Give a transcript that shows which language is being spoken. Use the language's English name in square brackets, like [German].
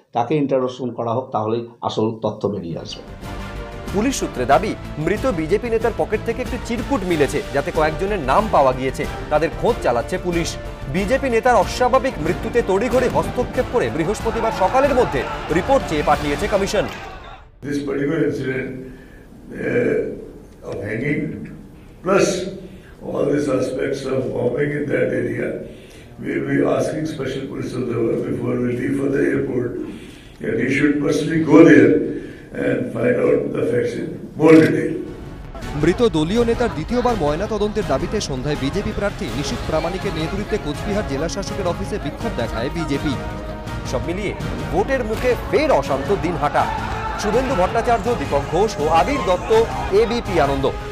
[Bangla] তাকে ইন্টারোগেশন করা হোক, তাহলেই আসল তথ্য বেরিয়ে আসবে। পুলিশ সূত্রে দাবি, মৃত বিজেপি নেতার পকেট থেকে একটি চিরকুট মিলেছে, যাতে কয়েকজনের নাম পাওয়া গিয়েছে। তাদের খোঁজ চালাচ্ছে পুলিশ। বিজেপি নেতার অস্বাভাবিক মৃত্যুতে তড়িঘড়ি হস্তক্ষেপ করে বৃহস্পতিবার সকালের মধ্যে রিপোর্ট চেয়ে পাঠিয়েছে commission. [English] Of hanging, plus all the suspects of bombing in that area, we'll be asking special police of the world before we leave for the airport, and he should personally go there and find out the facts in more detail. [Bangla] মৃত দলীয় নেতার দ্বিতীয়বার ময়নাতদন্তের দাবিতে সন্ধ্যায় BJP প্রার্থী নিশীথ প্রামাণিকের নেতৃত্বে কোচবিহার জেলাশাসকের অফিসে বিক্ষোভ দেখায় বিজেপি। সব মিলিয়ে ভোটের মুখে ফের অশান্ত দিনহাটা। শুভেন্দু ভট্টাচার্য, দীপক ঘোষ ও আবির দত্ত, এবিপি আনন্দ।